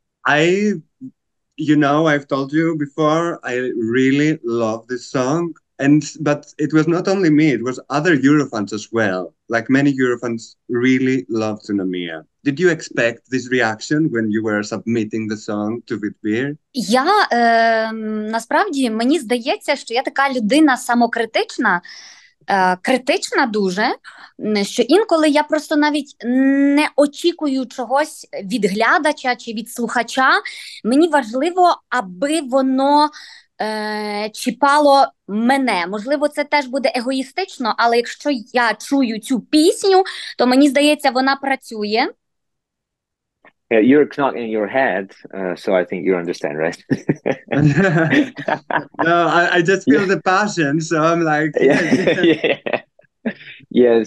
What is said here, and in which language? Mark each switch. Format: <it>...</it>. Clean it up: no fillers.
<en>I've told you before, I really love this song. But it was not only me, it was other Eurofans as well. Like, many Eurofans really loved Tsunamia. Did you expect this reaction when you were submitting the song to Vidbir?</en> <uk>Я насправді, мені здається, що я така людина самокритична, критична дуже, що інколи я просто навіть не очікую чогось від глядача чи від слухача. Мені важливо, аби воно чіпало мене. Можливо, це теж буде егоїстично, але якщо я чую цю пісню, то мені здається, вона працює.</uk> <en>You're not in your head, so I think you understand, right? No, I just feel the passion, so I'm like...</en>